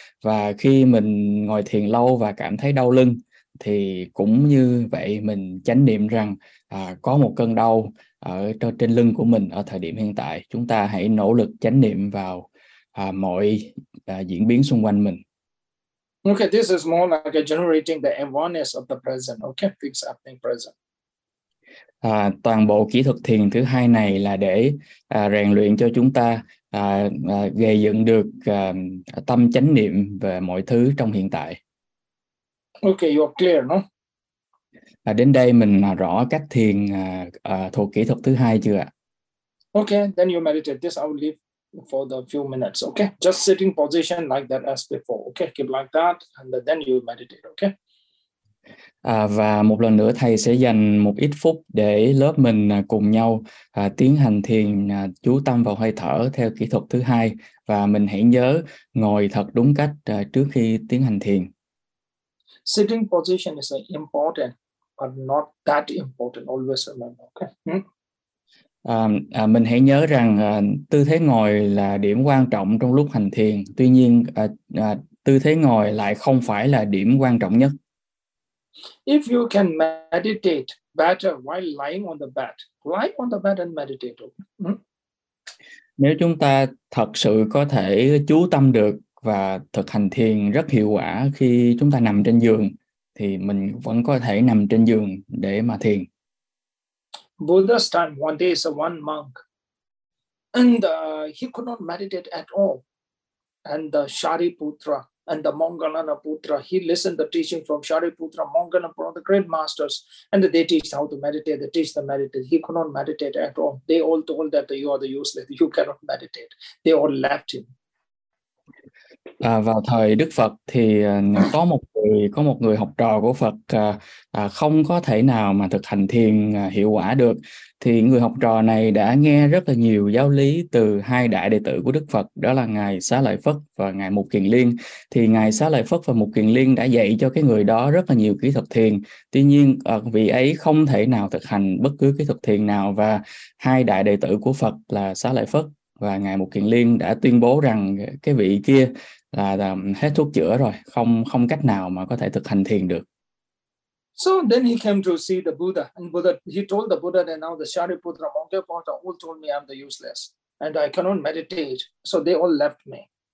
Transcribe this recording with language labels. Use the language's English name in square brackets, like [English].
[Vietnamese] Và khi mình ngồi thiền lâu và cảm thấy đau lưng, thì cũng như vậy, mình chánh niệm rằng có một cơn đau ở trên lưng của mình ở thời điểm hiện tại. Chúng ta hãy nỗ lực chánh niệm vào mọi diễn biến xung quanh mình. [English] Okay, this is more like generating the awareness of the present. Okay, things happening present. [Vietnamese] Toàn bộ kỹ thuật thiền thứ hai này là để rèn luyện cho chúng ta gây dựng được tâm chánh niệm về mọi thứ trong hiện tại. [English] Okay, you are clear, no? [Vietnamese] Đến đây mình rõ cách thiền thuộc kỹ thuật thứ hai chưa ạ? [English] Okay, then you meditate. This I will leave for the few minutes, okay? Just sitting position like that as before, okay? Keep like that, and then you meditate, okay? [Vietnamese] Và một lần nữa thầy sẽ dành một ít phút để lớp mình cùng nhau tiến hành thiền chú tâm vào hơi thở theo kỹ thuật thứ hai. Và mình hãy nhớ ngồi thật đúng cách trước khi tiến hành thiền. [English] Sitting position is important, but not that important, always remember. Okay. [Vietnamese] Mình hãy nhớ rằng tư thế ngồi là điểm quan trọng trong lúc hành thiền. Tuy nhiên, tư thế ngồi lại không phải là điểm quan trọng nhất. [English] If you can meditate better while lying on the bed and meditate. [Vietnamese] Nếu chúng ta thật sự có thể chú tâm được và thực hành thiền rất hiệu quả khi chúng ta nằm trên giường, thì mình vẫn có thể nằm trên giường để mà thiền. [English] Buddha's time, one day, so one monk, and he could not meditate at all. And the Shariputra and the Moggallana Putra, he listened the teaching from Shariputra, Moggallana Putra, the great masters, and they teach how to meditate. They teach the meditation. He could not meditate at all. They all told that you are the useless. You cannot meditate. They all left him. [Vietnamese] Vào thời Đức Phật thì có một người học trò của Phật không có thể nào mà thực hành thiền hiệu quả được. Thì người học trò này đã nghe rất là nhiều giáo lý từ hai đại đệ tử của Đức Phật, đó là Ngài Xá Lợi Phất và Ngài Mục Kiền Liên. Thì Ngài Xá Lợi Phất và Mục Kiền Liên đã dạy cho cái người đó rất là nhiều kỹ thuật thiền. Tuy nhiên, vị ấy không thể nào thực hành bất cứ kỹ thuật thiền nào, và hai đại đệ tử của Phật là Xá Lợi Phất và Ngài Mục Kiền Liên đã tuyên bố rằng cái vị kia là hết thuốc chữa rồi, không cách nào mà có thể thực hành thiền được. [English] So then he came to see the Buddha, and Buddha, he told the Buddha that now the Shariputra, Moggallana all told me I'm the useless and I cannot meditate, so they all left me.